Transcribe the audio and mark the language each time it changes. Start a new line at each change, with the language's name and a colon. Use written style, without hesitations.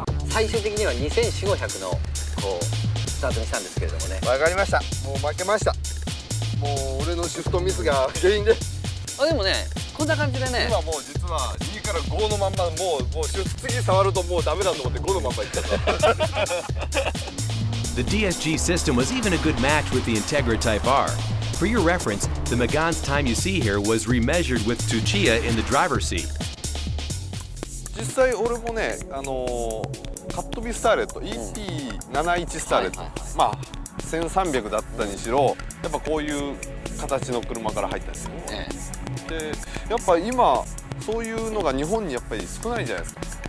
Japanese: 最終的には24500のこうスタートにしたんですけれどもね。わかりました。もう負けました。もう俺のシフトミスが原因です。あ、でもね、こんな感じでね。今もう実は2から5のまんま、もう次触るともうダメだと思って5のまんまいっちゃった。
English: The DSG system was even a good match with the Integra Type R. For your reference, the Megane's time you see here was remeasured with Tsuchiya in the driver's seat.
Japanese: 実際俺もね、カットビスターレット、うん、EP71 スターレット、はいはいはい、まあ1300だったにしろ、うん、やっぱこういう形の車から入ったんですよ、ね、でやっぱ今そういうのが日本にやっぱり少ないじゃないですか。